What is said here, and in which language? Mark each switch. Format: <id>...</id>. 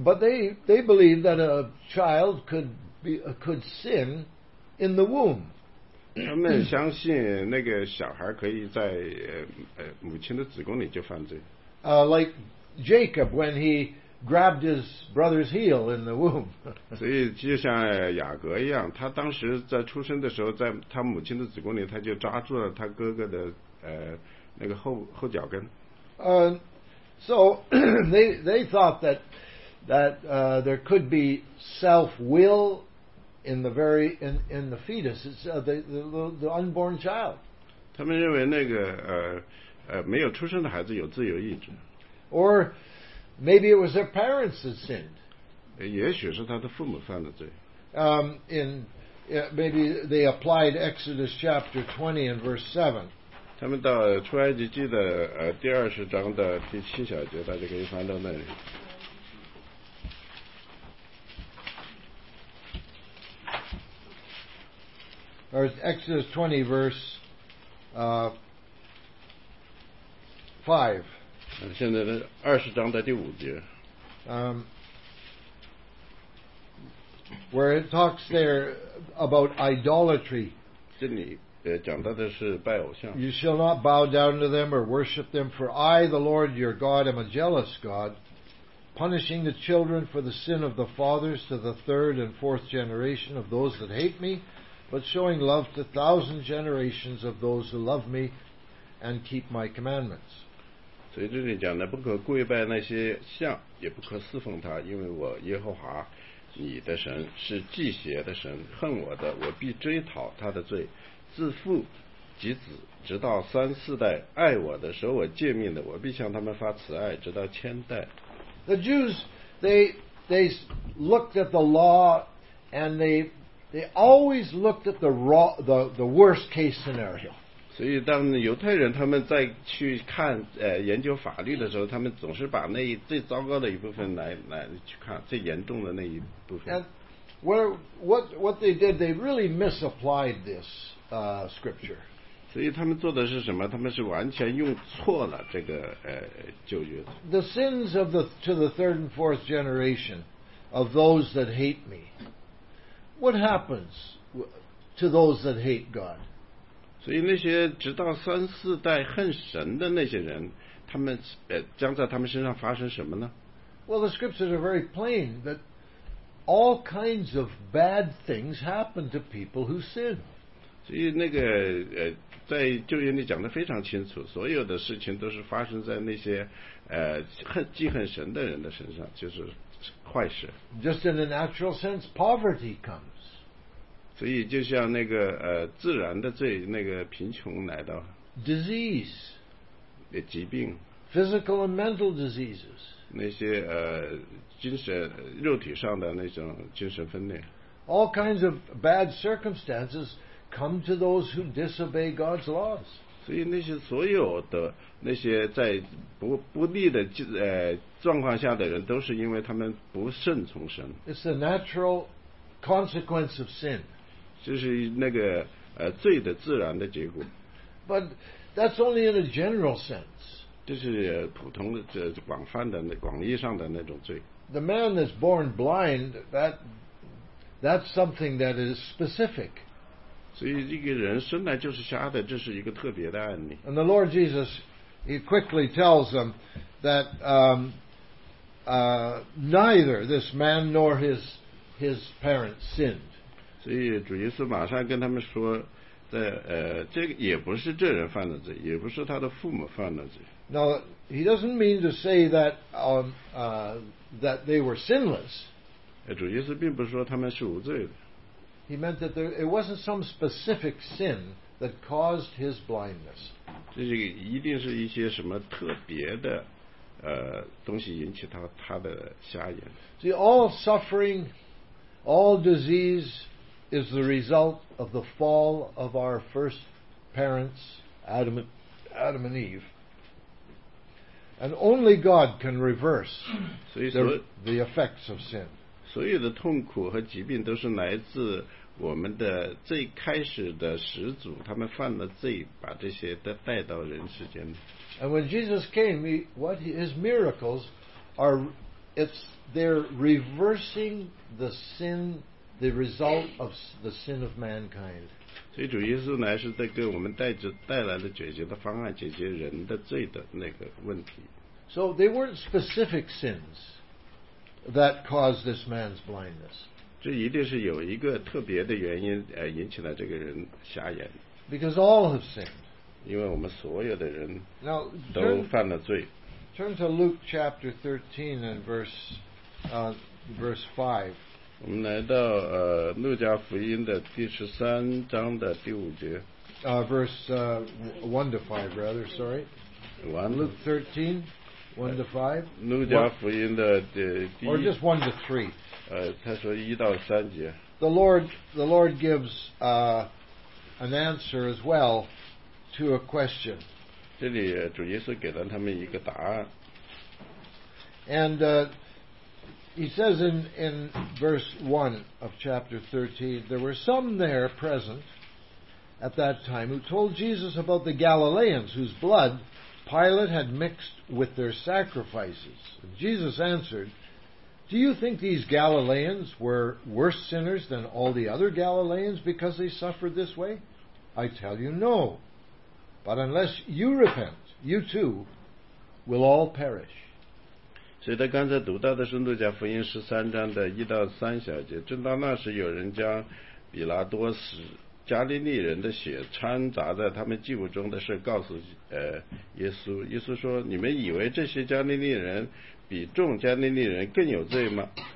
<en>But they believed that a child could sin in the womb.</en> <zh>他们相信那个小孩可以在母亲的子宫里就犯罪。</zh> <en>Like Jacob when he grabbed his brother's heel in the womb.</en> <zh>所以就像雅各一样，他当时在出生的时候，在他母亲的子宫里，他就抓住了他哥哥的那个后脚跟。</zh> <en>So they thought that there could be self-willin the very in the fetus, it's the unborn child.</en> <zh>他们认为那个没有出生的孩子有自由意志。</zh> <en>Or maybe it was their parents that sinned.</en> <zh>也许是他的父母犯的罪。</zh> <en>Maybe they applied Exodus chapter 20 and verse 7.</en> <zh>他们到出埃及记的第二十章的第七小节，大家可以翻到那里。</zh> <en>Or Exodus 20 verse 5.</en> <zh>现在的二十章的第五节。</zh> <en>Where it talks there about idolatry.</en> <zh>这里讲到的是拜偶像。</zh> <en>You shall not bow down to them or worship them, for I, the Lord your God, am a jealous God, punishing the children for the sin of the fathers to the third and fourth generation of those that hate me. But showing love to thousand generations of those who love me and keep my commandments.</en> <zh>所以这里讲的不可跪拜那些像，也不可侍奉他，因为我耶和华你的神是祭邪的神，恨我的，我必追讨他的罪，自父及子，直到三四代，爱我的，守我诫命的，我必向他们发慈爱，直到千代。</zh> <en>The Jews, they looked at the law and they always looked at the worst case scenario.</en> <zh>所以当犹太人他们在去看研究法律的时候，他们总是把那最糟糕的一部分来去看最严重的那一部分。</zh> <en>And what they did, they really misapplied this scripture.</en> <zh>所以他们做的是什么？他们是完全用错了这个旧约。</zh> <en>The sins of the third and fourth generation of those that hate me. What happens to those that hate God?</en> <zh>所以那些直到三四代恨神的那些人，他们将在他们身上发生什么呢？</zh> <en>Well, the scriptures are very plain that all kinds of bad things happen to people who sin.</en> <zh>所以那个在旧约里讲得非常清楚，所有的事情都是发生在那些记恨神的人的身上，就是坏事。</zh> <en>Just in the natural sense, poverty comes.</en> <zh>所以就像那个自然的罪，那个贫穷来到。</zh> <en>Disease.</en> <zh>疾病。</zh> <en>Physical and mental diseases.</en> <zh>那些精神肉体上的那种精神分裂。</zh> <en>All kinds of bad circumstances. Come to those who disobey God's laws.</en> <zh>所以那些所有的那些在不利的状况下的人，都是因为他们不顺从神。</zh> <en>It's the natural consequence of sin.</en> <zh>就是那个罪的自然的结果。</zh> <en>But that's only in a general sense.</en> <zh>这是普通的广泛的广义上的那种罪。</zh> <en>The man that's born blind, that's something that is specific.</en> <zh>所以一个人生来就是瞎的，这是一个特别的案例。</zh> <en>And the Lord Jesus, he quickly tells them that neither this man nor his parents sinned.</en> <zh>所以主耶稣马上跟他们说，在这个也不是这人犯的罪，也不是他的父母犯的罪。</zh> <en>Now he doesn't mean to say that that they were sinless.</en> <zh>主耶稣并不是说他们是无罪的。</zh> <en>He meant that it wasn't some specific sin that caused his blindness.</en> <zh>这是一定是一些什么特别的东西引起他的瞎眼。</zh> <en>See, all suffering, all disease is the result of the fall of our first parents, Adam and Eve. And only God can reverse the effects of sin.</en> <zh>所有的痛苦和疾病都是来自我们的最开始的始祖，他们犯了罪，把这些都带到人世间。</zh> <en>And when Jesus came, his miracles are, they're reversing the sin, the result of the sin of mankind.</en> <zh>所以主耶稣来是在给我们带来的解决的方案，解决人的罪的那个问题。</zh> <en>So they weren't specific sins. That caused this man's blindness.</en> <zh>这一定是有一个特别的原因，引起了这个人瞎眼。</zh> <en>Because all have sinned.</en> <zh>因为我们所有的人都犯了罪。</zh> <en>Turn to Luke chapter 13 and verse 5.</en> <zh>我们来到路加福音的第十三章的第五节。</zh> <en>Verse 1 to 5, rather. Luke 13. 1 to 5.</en> <zh>路加福音的第</zh> <en>Or just 1 to 3.</en> <zh>他说一到三节。</zh> <en>The Lord gives an answer as well to a question.</en> <zh>这里主耶稣给了他们一个答案。</zh> <en>And he says in verse 1 of chapter 13, there were some there present at that time who told Jesus about the Galileans whose bloodPilate had mixed with their sacrifices. Jesus answered, Do you think these Galileans were worse sinners than all the other Galileans because they suffered this way? I tell you, no. But unless you repent, you too will all perish.</en> <zh>所以他刚才读到的是路加福音十三章的一到三小节。正当那时，有人将比拉多死加利利人的血掺杂在他们祭物中的事告诉耶稣，耶稣说，你们以为这些加利利人比众加利利人更有罪吗？</zh>